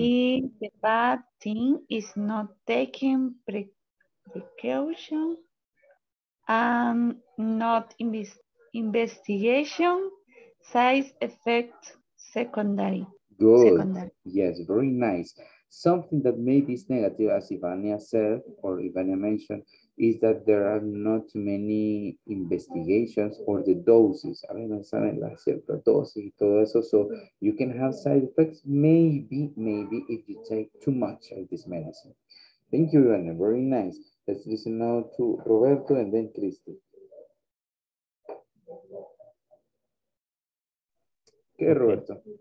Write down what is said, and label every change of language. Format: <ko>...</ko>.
<en>If the bad thing is not taking precaution and not investigation, size effects secondary. Good. Secondary. Yes, very nice. Something that maybe is negative, as Ivania said or Ivania mentioned, is that there are not too many investigations or the doses.</en> <es>A veces saben la cierta dosis y todo eso.</es> <en>So you can have side effects, maybe if you take too much of this medicine. Thank you, Ivana. Very nice. Let's listen now to Roberto and then Cristi. Okay, Roberto.</en>